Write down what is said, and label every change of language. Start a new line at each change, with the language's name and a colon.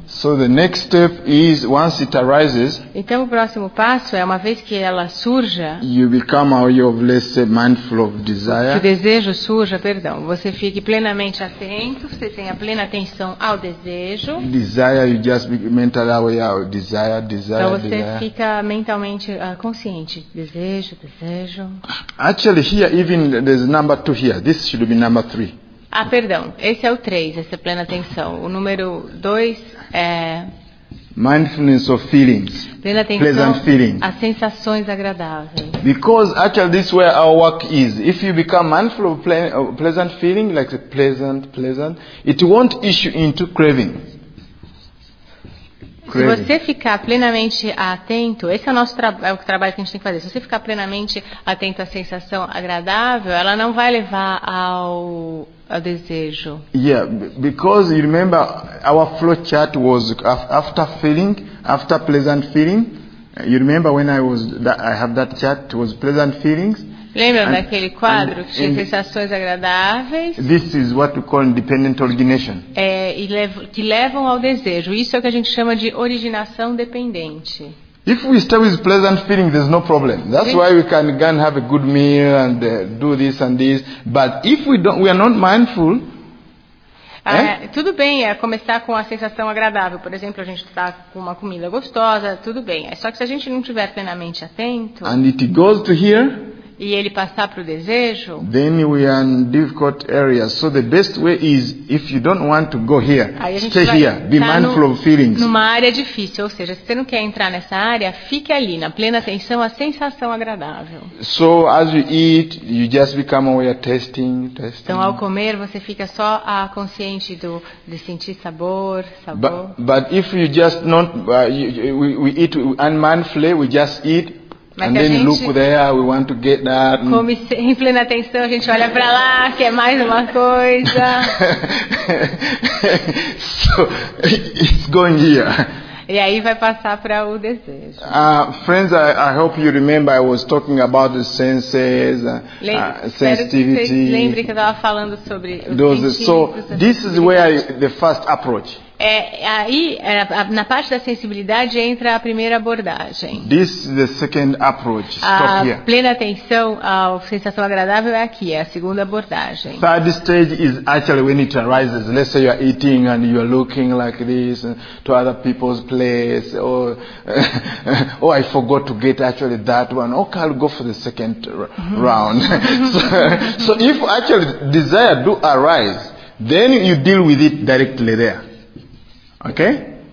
English: So the next step is once it arises.
Portuguese: Então o próximo passo é uma vez que ela surja.
English: You become less mindful of desire.
Portuguese: Que o desejo surja, perdão. Você fique plenamente atento. Você tenha plena atenção ao desejo.
English: Desire, you just be mentally aware. Desire, desire.
Portuguese: Então você
English: desire.
Portuguese: Fica mentalmente consciente. Desejo, desejo.
English: Actually, here even there's number two here. This should be number three.
Portuguese: Ah, perdão. Esse é o 3, essa plena atenção. O número 2 é
English: mindfulness of feelings.
Portuguese: Plena atenção,
English: pleasant feelings.
Portuguese: As sensações agradáveis.
English: Because actually this is where our work is. If you become mindful of pleasant feeling, like the pleasant, it won't issue into craving.
Portuguese: Se você ficar plenamente atento, esse é o nosso é o trabalho que a gente tem que fazer. Se você ficar plenamente atento à sensação agradável, ela não vai levar ao desejo.
English: Yeah, because you remember our flowchart was after feeling, after pleasant feeling. You remember when I have that chart, it was pleasant feelings.
Portuguese: Lembra daquele quadro que tinha sensações agradáveis?
English: This is what we call independent origination.
Portuguese: Que levam ao desejo. Isso é o que a gente chama de originação dependente.
English: If we start with pleasant feeling, there's no problem. That's why we can go and have a good meal and do this and this. But if we don't, we are not mindful.
Portuguese: Tudo bem, é começar com a sensação agradável. Por exemplo, a gente está com uma comida gostosa, tudo bem. É só que se a gente não estiver plenamente atento,
English: and it goes to here,
Portuguese: e ele passar para o desejo,
English: then we are in difficult areas. So the best way is, if you don't want to go here, stay here, be mindful of feelings.
Portuguese: Numa área difícil, ou seja, se você não quer entrar nessa área, fique ali, na plena atenção, a sensação agradável.
English: So as you eat, you just become aware, testing.
Portuguese: Então, ao comer, você fica só a consciente de sentir sabor.
English: But if you just not, we eat unmindfully, we just eat.
Portuguese: Mas
English: and then look there, we want to get that.
Portuguese: Come em plena atenção, a gente olha para lá, quer mais uma coisa.
English: So, it's going here.
Portuguese: E aí vai passar para o desejo.
English: Friends, I hope you remember I was talking about the senses, sensitivity.
Portuguese: Lembre que eu estava falando sobre
English: So, this is where the first approach.
Portuguese: É, aí, na parte da sensibilidade, entra a primeira abordagem.
English: This is the second approach. Stop a here.
Portuguese: Plena atenção à sensação agradável é aqui, é a segunda abordagem.
English: Third stage is actually when it arises. Let's say you are eating and you are looking like this to other people's place. Or I forgot to get actually that one. Okay, I'll go for the second round. So if actually desire do arise, then you deal with it directly there. Okay?